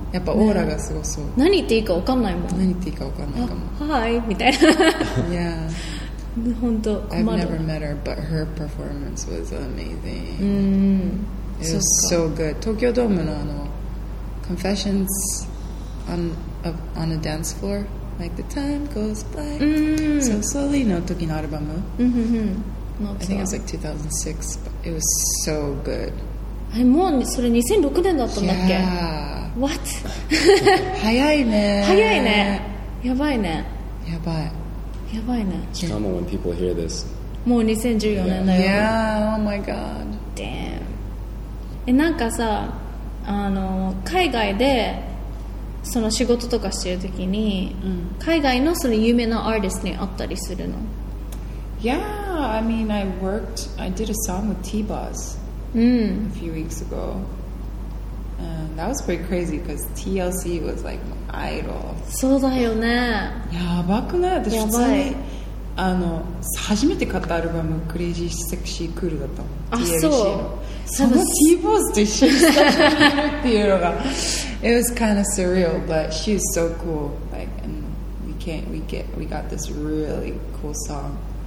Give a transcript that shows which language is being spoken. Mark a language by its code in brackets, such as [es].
[ja] やっぱオーラがすごそう。ね、何言っていいかわかんないもん。何言っていいかわかんないかも。はいみたいな。 [en] Yeah. [ja] 本当困る。 [en] I've never met her, but her performance was amazing. [ja] うん。 [en] It was so good. [ja] 東京ドームのあの [en] Confessions on a dance floor, like the time goes by so slowly [ja] の時のアルバム。うんうんうん。 [en] I think it was like 2006, but it was so good. [ja] もうそれ2006年だったんだっけ [en] Yeah. What? [ja] 早いね。早いね。やばいね。やばい。やばいね。 [en] It's common when people hear this. [ja] もう2014年だよ。 [en] Yeah, oh my god. Damn. [ja] なんかさ、海外でその仕事とかしてるときに、うん、海外のその有名なアーティストに会ったりするの？ [en] Yeah, I mean, I did a song with T-Boz a few weeks ago. And that was pretty crazy because TLC was like my idol. [ja] そうだよね。やばくない？私、やばい。あの、初めて買ったアルバム、クレイジーセクシークールだったもん。あ、そう。その T-Boz と一緒にしたっていうのが。 [en] It was kind of surreal, but she was so cool. Like, and we got this really cool song.